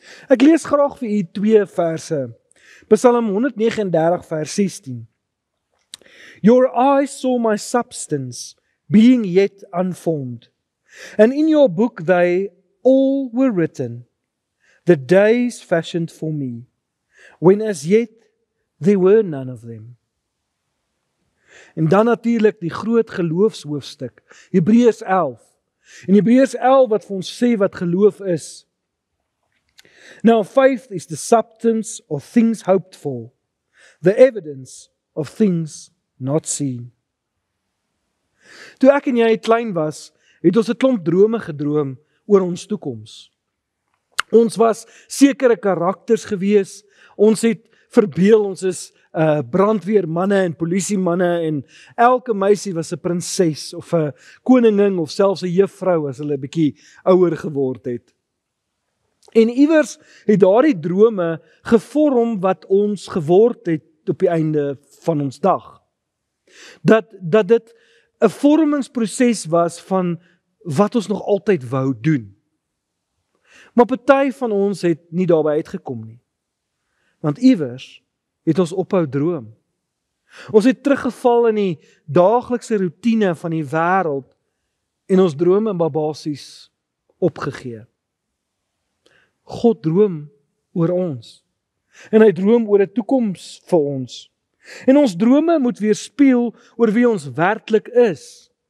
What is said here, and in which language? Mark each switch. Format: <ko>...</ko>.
<af>Ek lees graag vir u twee verse. Psalm 139 vers 16.</af> <en>Your eyes saw my substance, being yet unformed. And in your book they all were written, the days fashioned for me, when as yet there were none of them.</en> <af>En dan natuurlijk die groot geloofshoofstuk, Hebreërs 11. En Hebreërs 11 wat vir ons sê wat geloof is.</af> <en>Now faith is the substance of things hoped for, the evidence of things not seen.</en> <af>Toe ek en jy klein was, het ons 'n klomp drome gedroom oor ons toekoms. Ons was sekere karakters gewees, ons het verbeel, ons is brandweermanne en polisiemanne en elke meisie was 'n prinses of 'n koningin of selfs 'n juffrou as hulle 'n bietjie ouer geword het. En iewers het daardie drome gevorm wat ons geword het op die einde van ons dag. Dat dit 'n vormingsproses was van wat ons nog altyd wou doen. Maar party van ons het nie daarby uitgekom nie. Want iewers het ons ophou droom. Ons het teruggeval in die daaglikse routine van die wêreld en ons drome en babasies opgegee. God droom oor ons. En hy droom oor die toekoms vir ons. En ons drome moet weerspieël oor wie ons werklik is.</af>